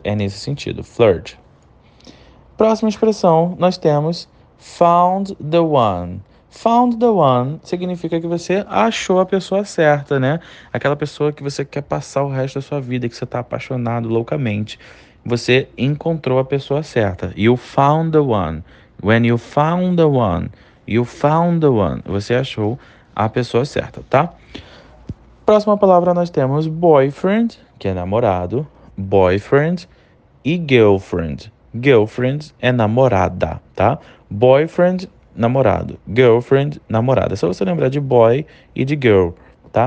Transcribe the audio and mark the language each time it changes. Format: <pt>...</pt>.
<pt>É nesse sentido, flirt. Próxima expressão nós temos found the one. Found the one significa que você achou a pessoa certa, né? Aquela pessoa que você quer passar o resto da sua vida, que você está apaixonado loucamente. Você encontrou a pessoa certa.</pt> <en>You found the one. When you found the one, you found the one.</en> <pt>Você achou a pessoa certa, tá? Próxima palavra nós temos boyfriend, que é namorado. Boyfriend e girlfriend. Girlfriend é namorada, tá? Boyfriend, namorado. Girlfriend, namorada. É só você lembrar de boy e de girl, tá?</pt>